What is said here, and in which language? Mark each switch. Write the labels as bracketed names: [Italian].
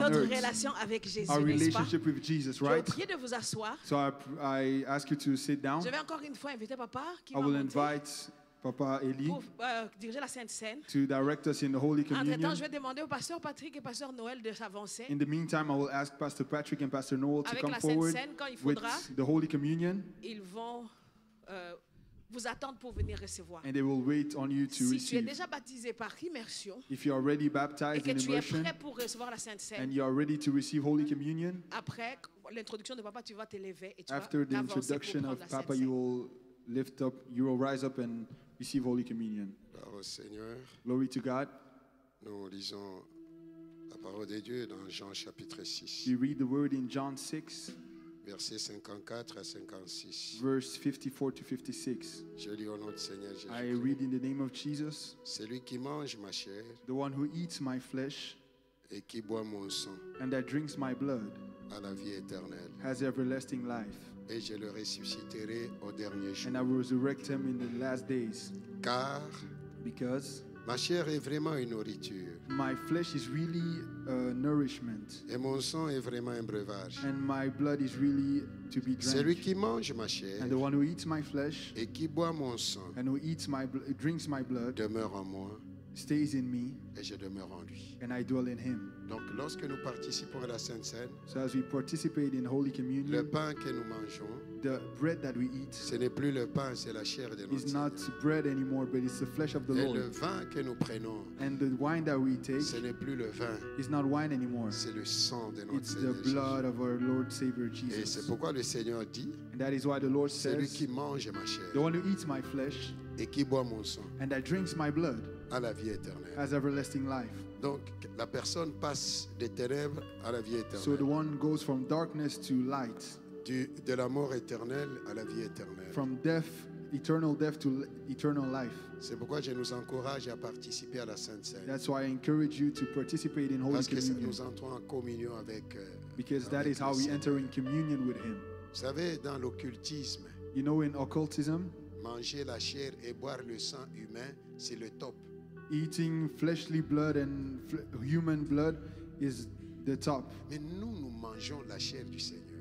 [French] notre [English] earth. [French] Notre relation avec Jésus, [English] our relationship with Jesus, right? [French] Je vous prie de vous asseoir. [English] So I ask you to sit down. [French] Je vais encore une fois inviter papa qui [English] I will invite Papa Eli to direct us in the Holy Communion. [French] Je vais demander au pasteur Patrick et pasteur Noël de s'avancer. [English] In the meantime, I will ask Pastor Patrick and Pastor Noel [French] avec [English] to come forward with the Holy Communion. [French] Ils vont vous attendre pour venir recevoir. [English] And they will wait on you to [French] si [English] receive. [French] Si tu es déjà baptisé par immersion, [English] if you are already baptized [French] et que [English] in immersion, [French] tu es prêt pour recevoir la Sainte Cène, [English] and you are ready to receive Holy Communion, [French] après l'introduction de papa, tu vas t'élever et tu [English] after [French] vas [English] the introduction [French] pour [English] of papa, you will lift up, you will rise up and receive Holy Communion. [French] Gloire au Seigneur. [English] Glory to God. [French] Nous lisons la parole de Dieu dans Jean chapitre 6. [English] We read the word in John 6. [French] Versets 54 à 56. [English] Verse 54 to 56. [French] Je lis au nom du Seigneur Jésus. [English] I read in the name of Jesus. [French] Celui qui mange ma chair. [English] The one who eats my flesh. [French] Et qui boit mon sang. [English] And that drinks my blood. [French] A la vie éternelle. [English] Has everlasting life. [French] Et je le ressusciterai au dernier jour. [English] And I will resurrect him in the last days. [French] Car [English] because [French] ma chair est vraiment une nourriture. [English] My flesh is really a nourishment. [French] Et mon sang est vraiment un breuvage. [English] And my blood is really to be drank. [French] Celui qui mange ma chair [English] and the one who eats my flesh [French] et qui boit mon sang [English] and who eats my drinks my blood [French] demeure en moi [English] stays in me [French] et je demeure en lui. [English] And I dwell in him. [French] Donc lorsque nous participons à la Sainte Cène, [English] so as we participate in Holy Communion, [French] le pain que nous mangeons, [English] the bread that we eat, [French] ce n'est plus le pain, c'est la chair de notre Seigneur. [English] Is not bread anymore, but it's the flesh of the Lord. [French] Et le vin que nous prenons, [English] and the wine that we take, [French] ce n'est plus le vin, [English] is not wine anymore. [French] C'est le sang de notre [English] it's [French] Seigneur. [English] It's the blood of our Lord Savior Jesus. [French] Et c'est pourquoi le Seigneur dit, [English] and that is why the Lord says, [French] celui qui mange ma chair, [English] the one who eats my flesh, [French] et qui boit mon sang, [English] and that drinks my blood, [French] à la vie éternelle, [English] has everlasting life. [French] Donc la personne passe des ténèbres à la vie éternelle. [English] So the one goes from darkness to light. [French] De la mort éternelle à la vie éternelle. [English] From death, eternal death to eternal life. [French] C'est pourquoi je nous encourage à participer à la Sainte Cène. [English] That's why I encourage you to participate in Holy Communion. [French] Parce que nous entrons en communion avec. [English] Because that is how we enter in communion with Him. [French] Vous savez, dans l'occultisme. [English] You know, in occultism. [French] Manger la chair et boire le sang humain, c'est le top. [English] Eating fleshly blood and human blood is the top. [French] Mais nous, nous mangeons la chair du Seigneur.